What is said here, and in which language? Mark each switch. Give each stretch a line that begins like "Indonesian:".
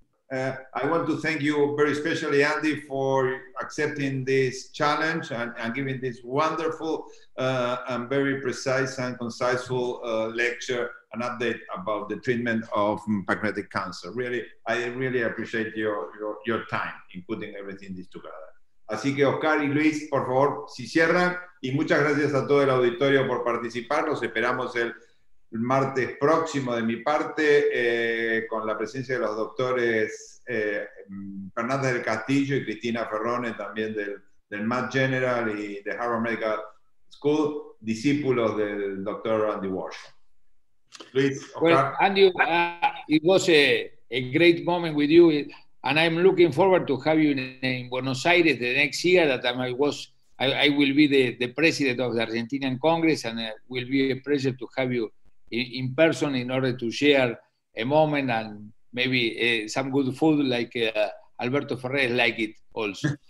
English: I want to thank you very specially, Andy, for accepting this challenge and giving this wonderful and very precise and conciseful lecture, an update about the treatment of pancreatic cancer. Really, I really appreciate your time in putting everything this together.
Spanish: Así que Oscar y Luis, por favor, si cierran, y muchas gracias a todo el auditorio por participar. Los esperamos el martes próximo de mi parte, con la presencia de los doctores Fernández del Castillo y Cristina Ferrone, también del Mass General y de Harvard Medical School, discípulos del doctor Andy Walsh. Luis, Oscar.
English: Well, Andy, it was a great moment with you, and I'm looking forward to have you in Buenos Aires the next year, that I will be the president of the Argentinian Congress, and it will be a pleasure to have you in person in order to share a moment and maybe some good food, like Alberto Ferreres like it also.